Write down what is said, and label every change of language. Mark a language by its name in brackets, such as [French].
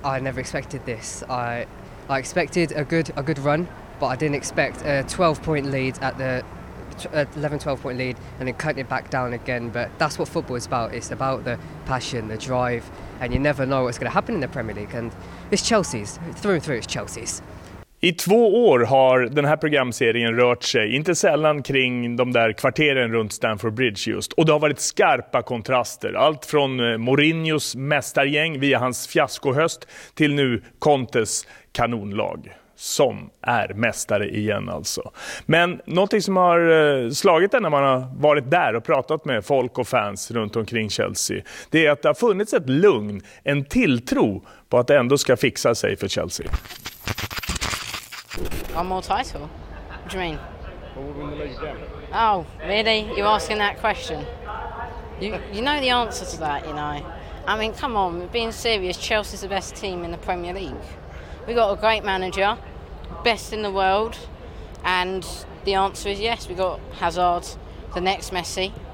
[English] I expected a good run, but I didn't expect a 12-point lead at the 11-12-point lead and then cutting it back down again. But that's what football is about. It's about the passion, the drive, and you never know what's going to happen in the Premier League. And it's Chelsea's. Through and through, it's Chelsea's. [Swedish] I två år har den här programserien rört sig, inte sällan kring de där kvarteren runt Stamford Bridge just. Och det har varit skarpa kontraster. Allt från Mourinhos mästargäng via hans fiaskohöst till nu Contes kanonlag. Som är mästare igen alltså. Men någonting som har slagit en när man har varit där och pratat med folk och fans runt omkring Chelsea, det är att det har funnits ett lugn, en tilltro på att det ändå ska fixa sig för Chelsea. [English] One more title? What do you mean? Well, we'll win the league again. Oh, really? You're asking that question? You know the answer to that, you know. I mean, come on, being serious, Chelsea's the best team in the Premier League. We got a great manager, best in the world, and the answer is yes. We got Hazard, the next Messi.